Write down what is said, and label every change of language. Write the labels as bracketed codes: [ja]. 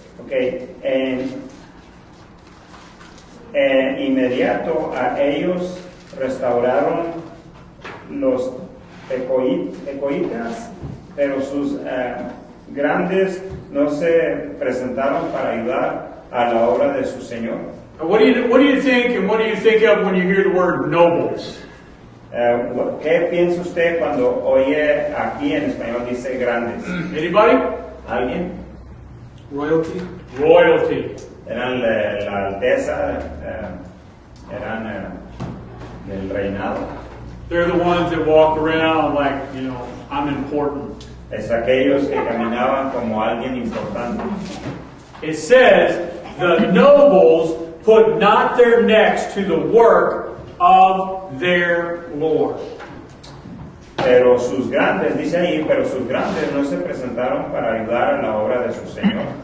[es] Okay, and inmediato a ellos restauraron los tecoitas, pero sus grandes no se presentaron para ayudar a la obra de su señor. [en] What do you think and what do you think of when you hear the word nobles? [es] ¿Qué piensa usted cuando oye aquí en español dice grandes? [en] Anybody? [es] ¿Alguien? [en] Royalty. Royalty. [es] Eran la alteza, eran del reinado. [en] They're the ones that walk around like, you know, I'm important. [es] Es aquellos que caminaban como alguien importante. [en] It says, the nobles put not their necks to the work of their Lord. [es] Pero sus grandes, dice ahí, pero sus grandes no se presentaron para ayudar a la obra de su Señor.